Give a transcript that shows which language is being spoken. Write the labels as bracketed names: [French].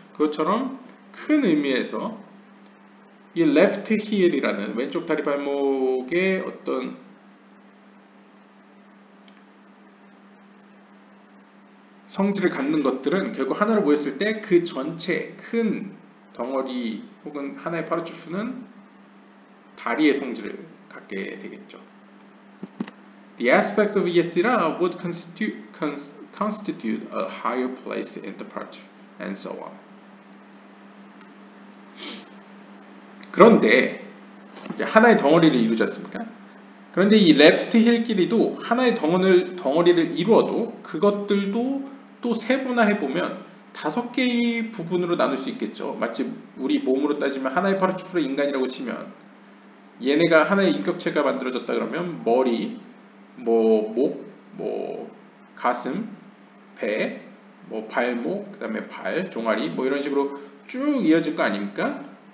[Korean] 그것처럼 큰 의미에서 이 left heel이라는 왼쪽 다리 발목의 어떤 성질을 갖는 것들은 결국 하나로 모였을 때 그 전체 큰 덩어리 혹은 하나의 파라출프는 다리의 성질을 갖게 되겠죠. [English] The aspects of Yetzirah would constitute a higher place in the part, and so on. [Korean] 그런데 이제 하나의 덩어리를 이루지 않습니까? 그런데 이 left heel끼리도 하나의 덩어리를 이루어도 그것들도 또 세분화해 보면 다섯 개의 부분으로 나눌 수 있겠죠. 마치 우리 몸으로 따지면 하나의 파라출프로 인간이라고 치면 얘네가 하나의 인격체가 만들어졌다 그러면 머리, 뭐 목, 뭐 가슴, 배, 뭐 발목, 그다음에 발, 종아리 뭐 이런 식으로 쭉 이어질 거 아닙니까?